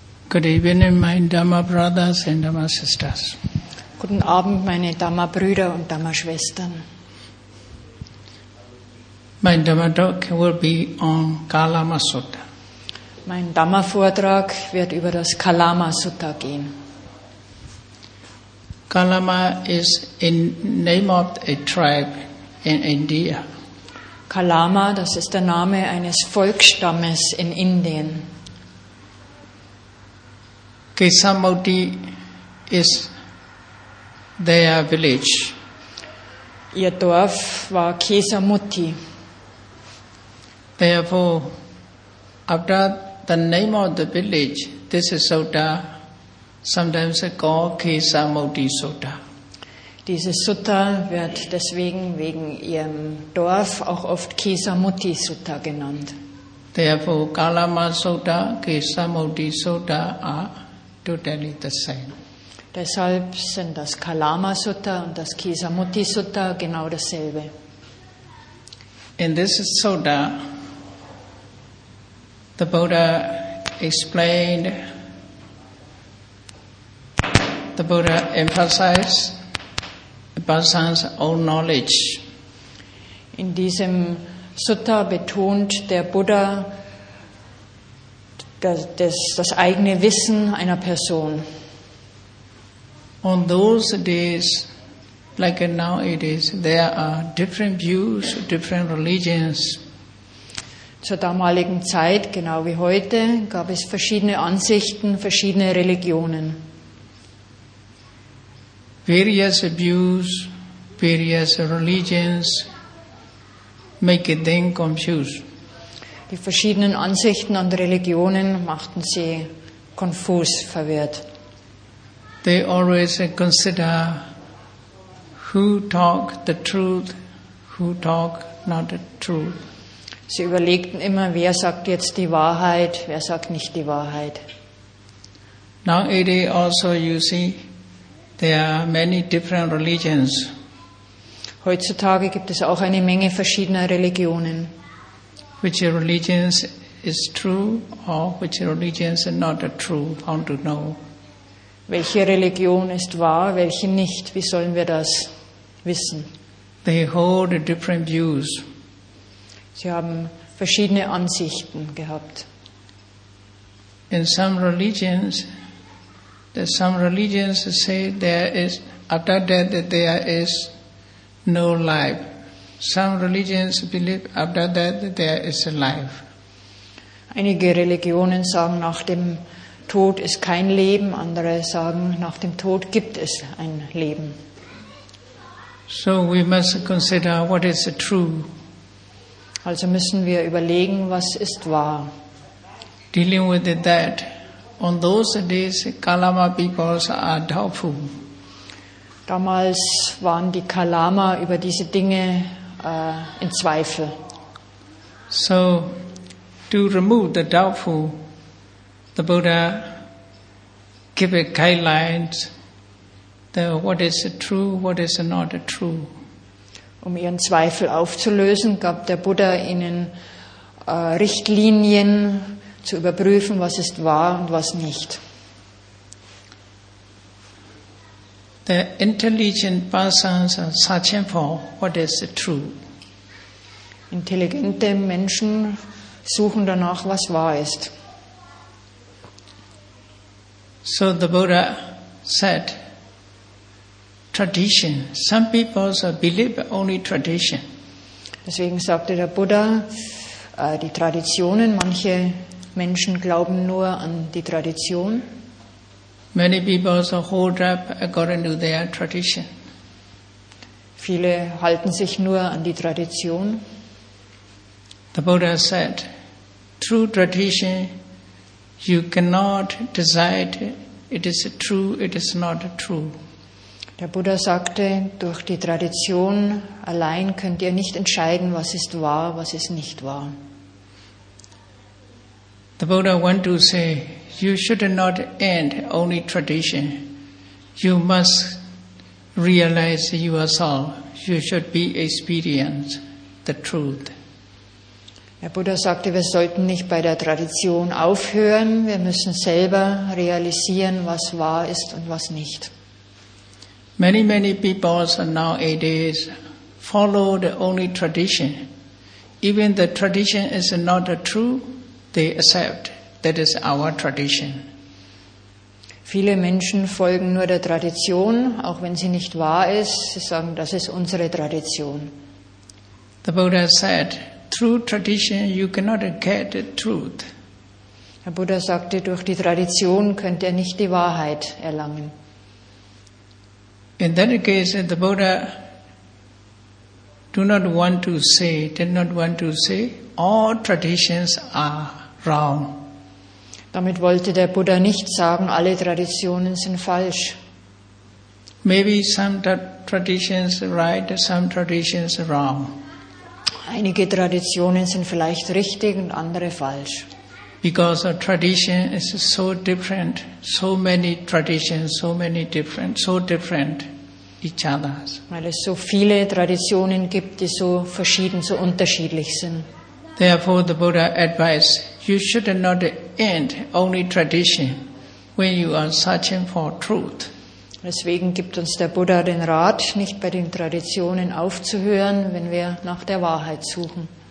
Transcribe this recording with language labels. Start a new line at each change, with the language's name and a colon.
English: Good evening, my Dhamma brothers and Dhamma sisters.
German: Guten Abend, meine Dhamma Brüder und Dhamma Schwestern.
English: My Dhamma talk will be on Kalama Sutta.
German: Mein Dhamma Vortrag wird über das Kalama Sutta gehen.
English: Kalama is a name of a tribe in India.
German: Kalama, das ist der Name eines Volksstammes in Indien.
English: Kesamauti is their village.
German: Ihr Dorf war Kesamuti.
English: Therefore, after the name of the village, this is Sutta, sometimes called Kesamauti Sutta.
German: Dieses Sutta wird deswegen wegen ihrem Dorf auch oft Kesamuti Sutta genannt.
English: Therefore, Kalama Sutta, Kesamauti Sutta are totally the same.
German: Deshalb sind das Kalama Sutta und das Kesamuti Sutta genau dasselbe.
English: In this sutta, the Buddha explained, the Buddha emphasized the person's own knowledge.
German: In diesem Sutta betont der Buddha das eigene Wissen einer Person.
English: On those days, like nowadays, there are different views, different religions.
German: Zur damaligen Zeit, genau wie heute, gab es verschiedene Ansichten, verschiedene Religionen.
English: Various views, various religions make them confused.
German: Die verschiedenen Ansichten und Religionen machten sie konfus, verwirrt.
English: They always consider who talk the truth, who talk not the truth.
German: Sie überlegten immer, wer sagt jetzt die Wahrheit, wer sagt nicht die Wahrheit.
English: Nowadays also you see, there are many different religions.
German: Heutzutage gibt es auch eine Menge verschiedener Religionen.
English: Which religions is true or which religions are not true, how to know?
German: Welche Religion ist wahr, welche nicht? Wie sollen wir das wissen?
English: They hold different views.
German: Sie haben verschiedene Ansichten gehabt.
English: In some religions say there is after death there is no life. Some religions believe after death there is a life.
German: Einige Religionen sagen, nach dem Tod ist kein Leben. Andere sagen, nach dem Tod gibt es ein Leben.
English: So we must consider what is true.
German: Also müssen wir überlegen, was ist wahr.
English: Dealing with that, on those days, Kalama peoples are doubtful.
German: Damals waren die Kalama über diese Dinge in Zweifel.
English: So, to remove the doubtful, the Buddha gave a guideline that what is true, what is not true.
German: Um ihren Zweifel aufzulösen, gab der Buddha ihnen Richtlinien zu überprüfen, was ist wahr und was nicht.
English: The intelligent persons are searching for what is true.
German: Intelligente Menschen suchen danach, was wahr ist.
English: So the Buddha said, tradition. Some people believe only tradition.
German: Deswegen sagte der Buddha, die Traditionen, manche Menschen glauben nur an die Tradition.
English: Many people hold up according to their tradition.
German: Viele halten sich nur an die Tradition.
English: The Buddha said, true tradition, you cannot decide it is true, it is not true.
German: Der Buddha sagte, durch die Tradition allein könnt ihr nicht entscheiden, was ist wahr, was ist nicht wahr.
English: The Buddha went to say, you should not end only tradition. You must realize yourself. You should be experience the truth.
German: Der Buddha sagte, wir sollten nicht bei der Tradition aufhören, wir müssen selber realisieren, was wahr ist und was nicht.
English: Many, many people are nowadays follow the only tradition. Even the tradition is not true, they accept that is our tradition.
German: Viele Menschen folgen nur der Tradition, auch wenn sie nicht wahr ist. Sie sagen, das ist unsere Tradition.
English: The Buddha said, through tradition you cannot get the truth.
German: Der Buddha sagte, durch die Tradition könnt ihr nicht die Wahrheit erlangen.
English: In that case, the Buddha did not want to say, all traditions are wrong.
German: Damit wollte der Buddha nicht sagen, alle Traditionen sind falsch.
English: Maybe some traditions right, some traditions wrong.
German: Einige Traditionen sind vielleicht richtig und andere falsch.
English: Because a tradition is so different, so many traditions, so different each other.
German: Weil es so viele Traditionen gibt, die so verschieden, so unterschiedlich sind.
English: Therefore, the Buddha advised, you should not end only tradition when you are searching for truth.
German: Deswegen gibt uns der Buddha den Rat, nicht bei den Traditionen aufzuhören, wenn wir nach der Wahrheit suchen.